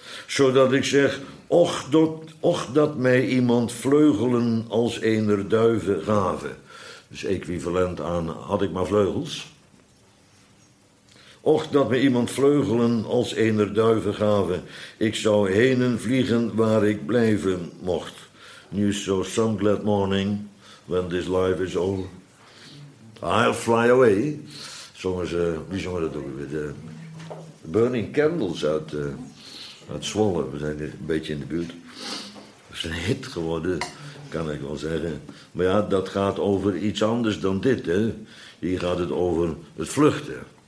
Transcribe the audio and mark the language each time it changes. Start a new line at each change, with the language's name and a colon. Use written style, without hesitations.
Dutch: Zodat ik zeg, och dat mij iemand vleugelen als eener duiven gaven. Dus equivalent aan, had ik maar vleugels. Och dat mij iemand vleugelen als eener duiven gaven. Ik zou henen vliegen waar ik blijven mocht.
English: News so some glad morning. When this life is over, I'll fly away.
Dutch: Zongen ze, wie zongen dat ook weer? De Burning Candles uit Zwolle. We zijn een beetje in de buurt. Dat is een hit geworden, kan ik wel zeggen. Maar ja, dat gaat over iets anders dan dit, hè. Hier gaat het over het vluchten.